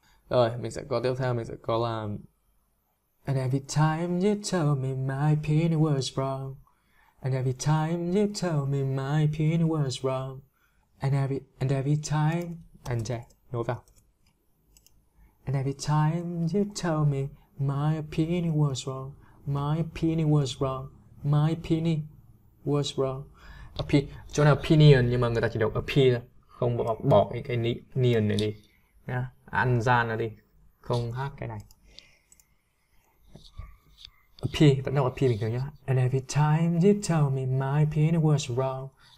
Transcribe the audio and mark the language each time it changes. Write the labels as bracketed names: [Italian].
[Vietnamese] Rồi, mình sẽ có tiếp theo, mình sẽ có là [English] And every time you told me my opinion was wrong. And every time you told me my opinion was wrong. And every time [Vietnamese] and nối vào. [English] And every time you told me my opinion was wrong. My opinion was wrong. My opinion was wrong. [Vietnamese] Chỗ nào opinion nhưng mà người ta chỉ đọc opinion, không bỏ cái nian này đi. Ăn gian nó đi. Không hát cái này. P, vẫn đọc là P bình thường nhá. And every time you told me my opinion was wrong.